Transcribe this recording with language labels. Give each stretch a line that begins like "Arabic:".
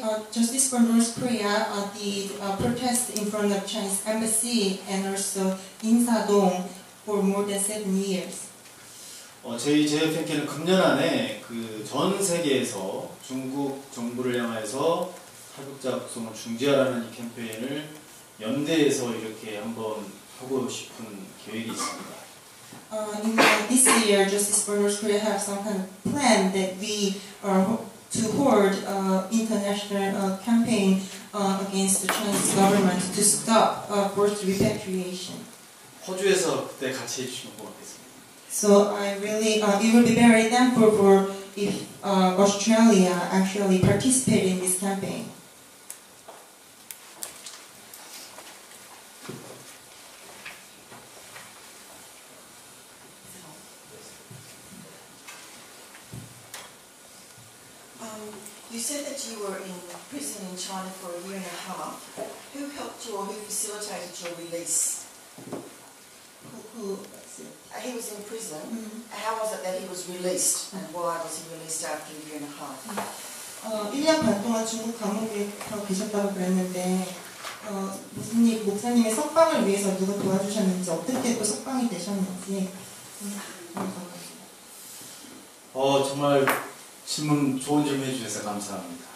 English: Justice for North Korea did protest in front of Chinese embassy and also Insadong for more than 7 years.
Korean: 저희 JFNK는 금년 안에 그 전 세계에서 중국 정부를 향해서 탈북자 북송을 중지하라는 이 캠페인을 연대해서 이렇게 한번 하고 싶은 계획이 있습니다.
English: In this year, Justice for North Korea have some kind of plan that we are to hold international campaign against the Chinese government to stop forced repatriation.
Korean: 호주에서 그때 같이 해주시면 고맙겠습니다.
English: So I really, it would be very thankful for if Australia actually participated in this campaign. You said that you were in prison in China for a year and a half. Who helped you or who facilitated your release? He was in prison. Mm-hmm. How was it that he was released, and why was he released after a year and a half?
Korean: 1년 반 동안 중국 감옥에서 계셨다고 그랬는데, 무슨님 목사님의 석방을 위해서 누가 도와주셨는지, 어떻게 또 석방이 되셨는지. 정말 질문 좋은 질문 해주셔서 감사합니다.